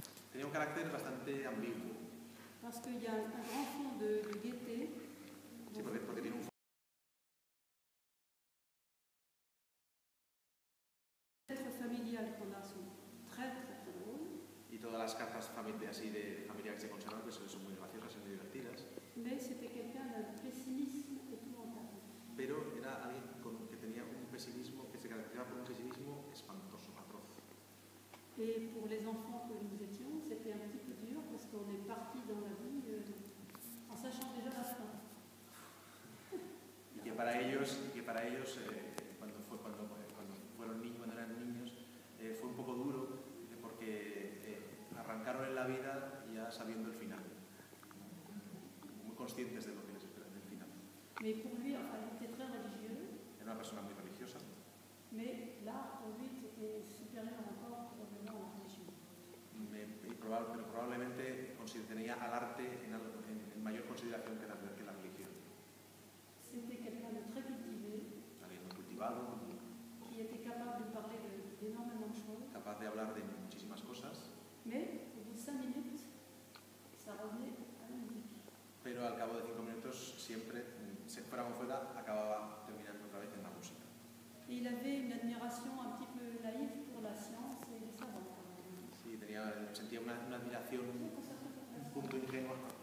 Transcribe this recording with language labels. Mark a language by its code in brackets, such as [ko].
[es] Tenía un carácter bastante ambiguo. [fr] Parce qu'il y a un grand fond de gaieté. [es] Sí, porque tiene un fondo. [fr] Être familial qu'on a sont très très drôles. [es] Y todas las cartas así de familiares que se conservan, pues son muy graciosas y muy divertidas. [fr] Mais c'était quelqu'un d'un pessimisme épouvantable. [es] Pero era alguien que tenía un pesimismo, que se caracterizaba por un pesimismo espantoso, atroz. [fr] Et pour les enfants que nous étions, c'était un petit peu dur parce qu'on est parti dans la vie en sachant déjà la fin. [es] Y que para ellos, cuando fue cuando fueron niños, cuando eran niños, fue un poco duro porque arrancaron en la vida ya sabiendo el final, muy conscientes de lo que les espera en el final. [fr] Mais pour lui, enfin, il était très religieux. [es] Era una persona muy religiosa. [fr] Mais l'art pour lui était supérieur encore probablement en religion. [es] Pero probablemente tenía al arte en mayor consideración que la religión. [fr] C'était quelqu'un de très cultivé. [es] Alguien muy cultivado. [fr] Qui était capable de parler d'énormément de choses. [es] Capaz de hablar de muchísimas cosas. [fr] Mais au bout de 5 minutes, ça revenait à la musique. [es] Pero al cabo de 5 minutos siempre, se fuera como fuera, acababa terminando otra vez en la música. [fr] Et il avait une admiration un petit peu naïve pour la science et les savants. [es] Sí, sentía una admiración un punto ingenua.